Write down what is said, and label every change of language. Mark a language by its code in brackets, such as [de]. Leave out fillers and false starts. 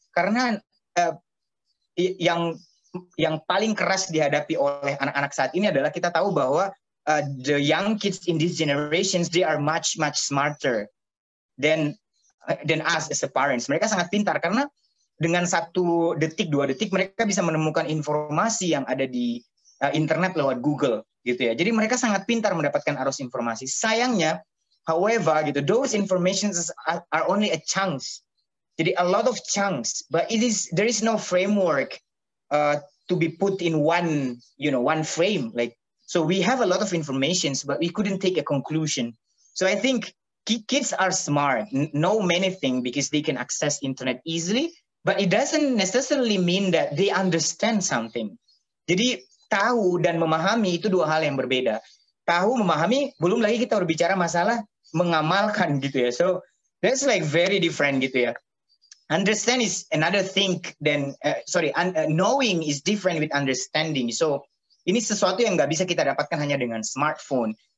[id] Karena yang paling keras dihadapi oleh anak-anak saat ini adalah kita tahu bahwa [en] the young kids in these generations, they are much much smarter than us as a parents. [id] Mereka sangat pintar karena dengan 1 detik, 2 detik mereka bisa menemukan informasi yang ada di internet lewat Google gitu ya. Jadi mereka sangat pintar mendapatkan arus informasi. Sayangnya [en] however, [id] gitu, [en] those informations are only a chunks. [id] Jadi [en] a lot of chunks, but there is no framework to be put in one, you know, one frame. Like, so we have a lot of informations, but we couldn't take a conclusion. So I think kids are smart, know many things because they can access internet easily, but it doesn't necessarily mean that they understand something. [id] Jadi tahu dan memahami itu dua hal yang berbeda. Tahu, memahami, belum lagi kita berbicara masalah mengamalkan gitu ya. [en] So that's like very different [id] gitu ya. [en] Understand is another thing than knowing is different with understanding. So [id] ini sesuatu yang nggak bisa kita dapatkan hanya dengan smartphone.